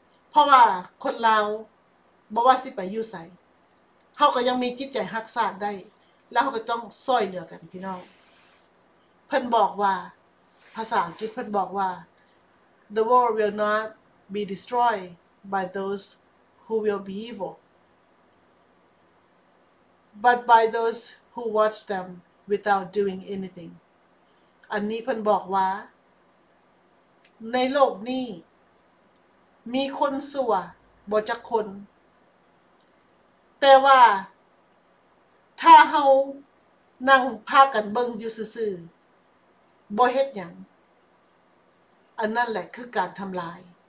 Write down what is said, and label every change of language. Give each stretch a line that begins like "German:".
Northeastern Thai: เพราะว่าคนเราบ่ว่าสิไปอยู่ไสเฮาก็ยังมีจิตใจรักษาได้แล้วเฮาก็ต้องช่วยเหลือกันพี่น้องเพิ่นบอกว่าภาษาอังกฤษเพิ่นบอกว่า
English: The world will not be destroyed by those who will be evil. but by those who watch them without doing anything.
Northeastern Thai: อันนี้เพิ่นบอกว่าในโลกนี้มีคนสั่วบ่จักคนแต่ว่าถ้าเฮานั่งพากันเบิ่งอยู่ซื่อบ่เฮ็ดหยังอันนั้นแหละคือการทำลาย